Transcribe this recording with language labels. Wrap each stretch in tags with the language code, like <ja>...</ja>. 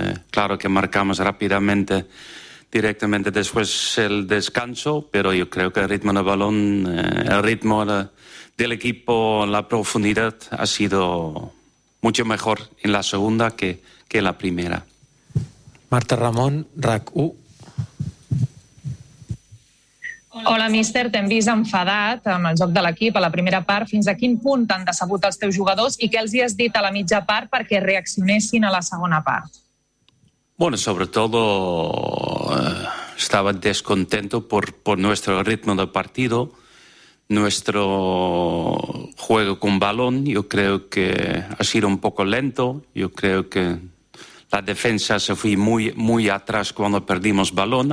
<es>Claro que marcamos rápidamente, directamente después el descanso, pero yo creo que el ritmo de balón, el ritmo del equipo, la profundidad ha sido mucho mejor en la segunda que en la primera.</es> <ca>Marta Ramón, RAC 1. Hola, míster, t'hem vist enfadat amb el joc de l'equip a la primera part. Fins a quin punt t'han decebut els teus jugadors i què els hi has dit a la mitja part perquè reaccionessin a la segona part?</ca> <es>Bueno, sobre todo estaba descontento por nuestro ritmo de partido, nuestro juego con balón. Yo creo que ha sido un poco lento. Yo creo que la defensa se fue muy, muy atrás cuando perdimos balón.</es>